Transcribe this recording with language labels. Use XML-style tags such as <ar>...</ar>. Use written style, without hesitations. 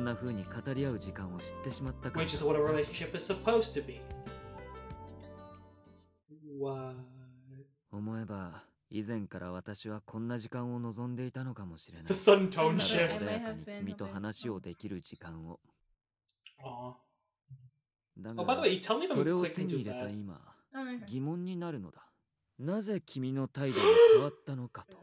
<ja>あの時の私だったら、なぜ今更蒸し返すんだと。だが今はそんな気にならない。そんな事をして君を怒らせるのが恐ろしいと思う。そう思うのは、こんな風に語り合う時間を知ってしまったから。</ja> <en>Which is what a relationship is supposed to be. What?</en> <ja>思えば 以前から私はこんな時間を望んでいたのかもしれない。</ja> <en>The sudden tone shift.</en> <ja>穏やかに君と話をできる時間を。だが、</ja> <en>Oh, by the way, you tell me if I'm clicking too fast.</en> <ja>疑問になるのだ。なぜ君の態度が変わったのかと。</ja>